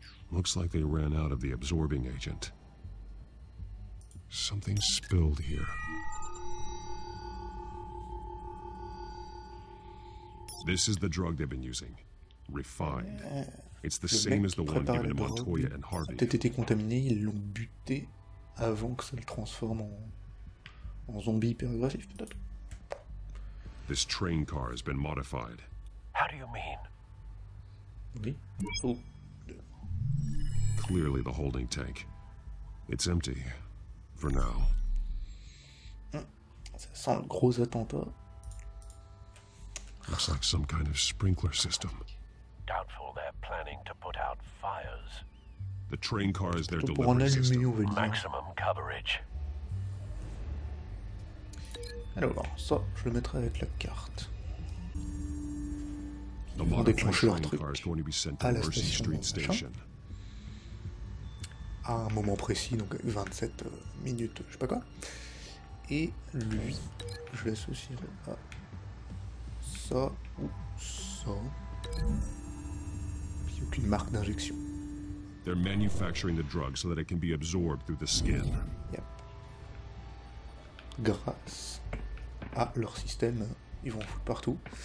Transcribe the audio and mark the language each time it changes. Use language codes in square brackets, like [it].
[en] Looks like they ran out of the absorbing agent. Something spilled here. This is the drug they've been using. Refined. It's the same as the one given to Montoya and Harvey. [fr] A peut-être été contaminé, ils l'ont buté avant que ça le transforme en, en zombie hyperagressif, peut-être. [en] This train car has been modified. How do you mean? [fr] Oui. Oh. [en] Clearly the holding tank. It's empty. For now. [fr] Ça sent le gros attentat. [en] Looks like some kind of sprinkler system. Doubtful they're planning to put out fires. The train car is their delivery system. Maximum coverage. [fr] Alors, ça, je le mettrai avec la carte. Ils vont déclencher leur truc à la station. À un moment précis, donc 27 minutes, je sais pas quoi. Et lui, je l'associerai à ça ou ça. Il n'y a aucune marque d'injection. [en] They're manufacturing the drug so that it can be absorbed through the skin. Yep. [fr] Grâce à leur système, ils vont foutre partout.